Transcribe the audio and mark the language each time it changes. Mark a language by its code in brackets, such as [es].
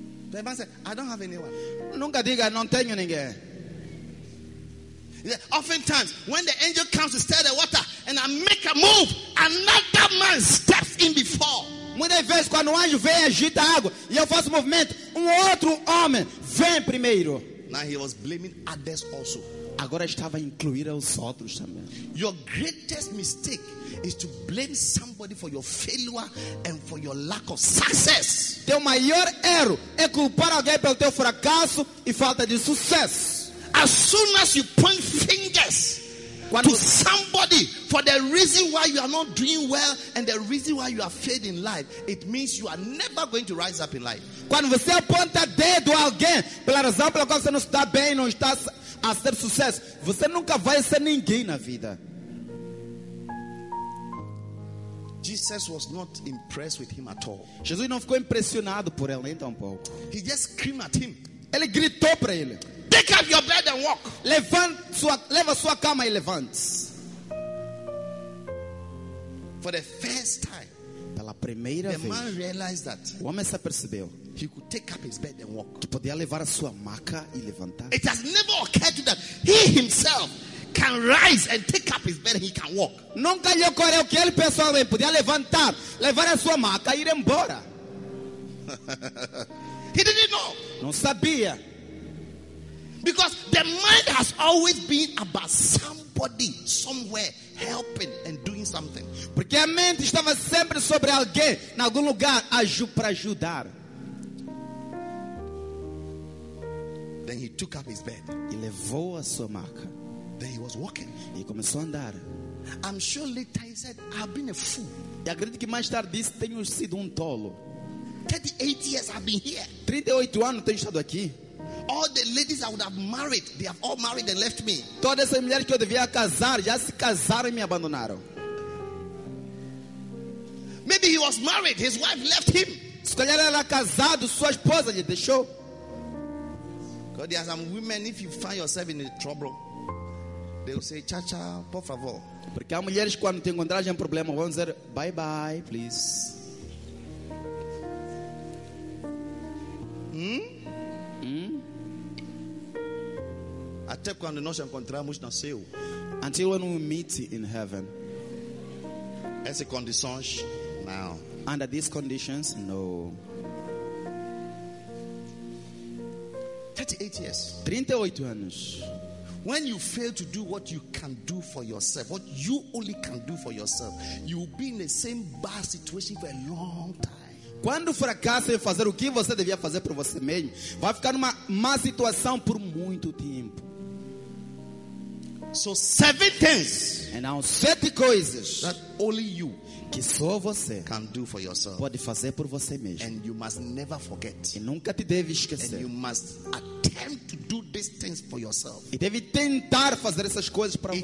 [en] The man said, I don't have anyone. [pt] Nunca diga, não tenho ninguém. [en] Oftentimes, when the angel comes to stir the water and I make a move, another man steps in before. [pt] Muitas vezes, quando o anjo vem, agita a água e eu faço movimento, outro homem vem primeiro. [en] Now he was blaming others also. [pt] Agora estava a incluir os outros também. [en] Your greatest mistake is to blame somebody for your failure and for your lack of success. [pt] Teu maior erro é culpar alguém pelo teu fracasso e falta de sucesso. [en] As soon as you point fingers to somebody for the reason why you are not doing well and the reason why you are failed in life, it means you are never going to rise up in life. [pt] Quando você aponta dedo a alguém pela razão pela qual você não está bem, não está a ser sucesso, você nunca vai ser ninguém na vida. [en] Jesus was not impressed with him at all. [pt] Jesus não ficou impressionado por ele nem tampouco. [en] He just screamed at him. [pt] Ele gritou para ele. [en] Take up your bed and walk. [pt] Leva sua cama e levante. [en] For the first time, [pt] pela primeira [en] the [pt] vez, [en] the man realized that. [pt] O homem se percebeu. [en] He could take up his bed and walk. [pt] Que podia levar a sua maca e levantar. [en] It has never occurred to that he himself can rise and take up his bed and he can walk. [pt] Nunca lhe ocorreu que ele pessoalmente podia levantar, levar a sua maca e ir embora. [en] He didn't know. [pt] Não sabia. [en] Because the mind has always been about somebody, somewhere, helping and doing something. [pt] Porque a mente estava sempre sobre alguém, em algum lugar, para ajudar. [en] Then he took up his bed. [pt] E levou a sua maca. [en] Then he was walking. [pt] E começou a andar. [en] I'm sure later he said, I've been a fool. [pt] E acredito que mais tarde disse, tenho sido tolo. [en] 38 years I've been here. [pt] 38 anos tenho estado aqui. [en] All the ladies I would have married, they have all married and left me. [pt] Todas as mulheres que eu devia casar já se casaram e me abandonaram. [en] Maybe he was married, his wife left him. [pt] Se calhar ele era casado, sua esposa lhe deixou. [en] God, there are some women, if you find yourself in trouble, they will say, "Cha cha, [pt] por favor." Porque há mulheres quando te encontrarem em problema vão dizer, [en] "Bye bye, please." [pt] Até quando nós encontramos no céu. [en] Until when we meet in heaven. [pt] Essas condições, não. [en] Under these conditions, no. 38 years. [pt] 38 anos. [en] When you fail to do what you can do for yourself, what you only can do for yourself, you will be in the same bad situation for a long time. [pt] Quando fracassa em fazer o que você devia fazer por você mesmo, vai ficar numa má situação por muito tempo. [en] So seven things. And now [pt] sete coisas [en] that only you [pt] que só você [en] can do for yourself. [pt] Pode fazer por você mesmo. [en] And you must never forget. [pt] E nunca te deve esquecer. [en] And you must attempt to do these things for yourself. [pt] E deve tentar fazer essas coisas para você.